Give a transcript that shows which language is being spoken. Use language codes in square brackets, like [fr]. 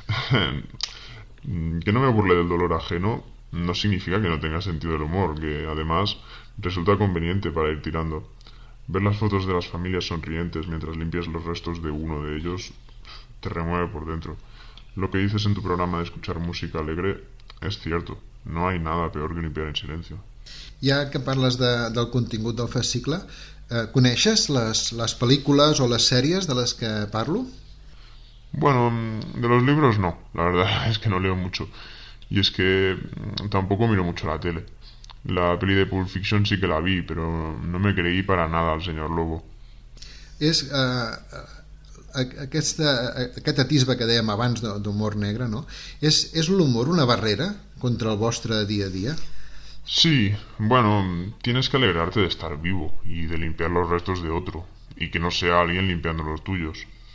[es] Que no me burle del dolor ajeno no significa que no tenga sentido el humor, que además resulta conveniente para ir tirando. Ver las fotos de las familias sonrientes mientras limpias los restos de uno de ellos te remueve por dentro. Lo que dices en tu programa de escuchar música alegre es cierto. No hay nada peor que limpiar en silencio. [ca] Ja que parles del contingut del fascicle, ¿coneixes les pel·lícules o les sèries de les que parlo? [es] Bueno, de los libros no. La verdad es que no leo mucho. Y es que tampoco miro mucho la tele. La peli de Pulp Fiction sí que la vi, pero no me creí para nada al señor Lobo. [ca] És aquest atisbe que dèiem abans d'humor negre, no? És l'humor una barrera contra el vostre dia a dia? [es] Sí, bueno, tienes que alegrarte de estar vivo y de limpiar los restos de otro y que no sea alguien limpiando los tuyos.